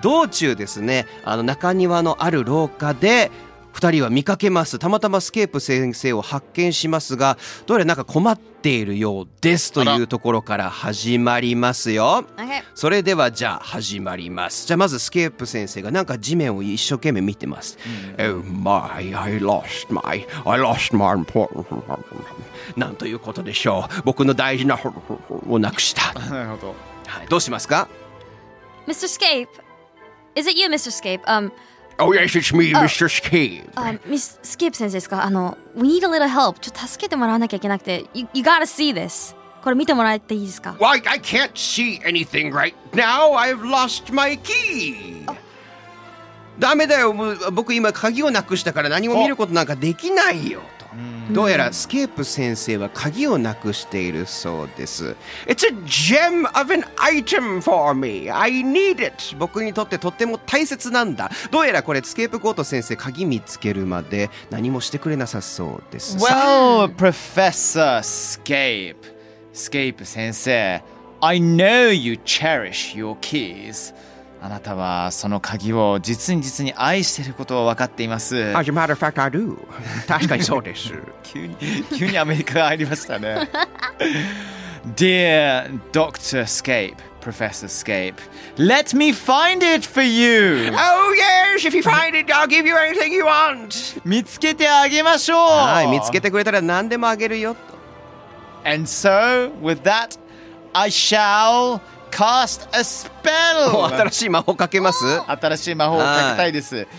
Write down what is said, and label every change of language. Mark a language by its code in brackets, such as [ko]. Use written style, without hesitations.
[ja] 道中ですね、あの中庭のある廊下で。二人は見かけます。たまたまスケープ先生を発見しますが、どうやらなんか困っているようですというところから始まりますよ。それではじゃあ始まります。じゃあまずスケープ先生がなんか地面を一生懸命見てます。 [en] Oh my, I lost my important [ja] なんということでしょう。僕の大事なをなくした。なるほど。はい、どうしますか [en] ？Mr. Scape, is it you, Mr. Scape? Oh yes, it's me, Mr. Scape. [ja] Miss Scape 先生ですか。 [en] あの、we need a little help. [ja] ちょっと助けてもらわなきゃいけなくて、 [en] you gotta see this. [ja] これ見てもらっていいですか。 [en] Why、well, I can't see anything right now. I've lost my key. ダ [ja] メだよ。僕今鍵をなくしたから何も見ることなんかできないよと。どうやらスケープ先生は鍵をなくしているそうです。 [en] It's a gem of an item for me. I need it. [ja] 僕にとってとっても大切なんだ。どうやらこれスケープコート先生鍵見つけるまで何もしてくれなさそうです。 [en] Well, Professor Scape. Scape 先生、I know you cherish your keys. [ja] あなたはその鍵を実に実に愛していることを分かっています。 [en] As a matter of fact, I do. [ja] 確かにそうです。急にアメリカが入りましたね。 [en] Dear Dr. Scape, Professor Scape, let me find it for you. Oh yes, if you find it, I'll give you anything you want. [ja] 見つけてあげましょう。はい、見つけてくれたら何でもあげるよと。 [en] And so, with that, I shall... Cast a spell! [ja] 新しい魔法かけます、 oh. 新しい魔法をかけたいです。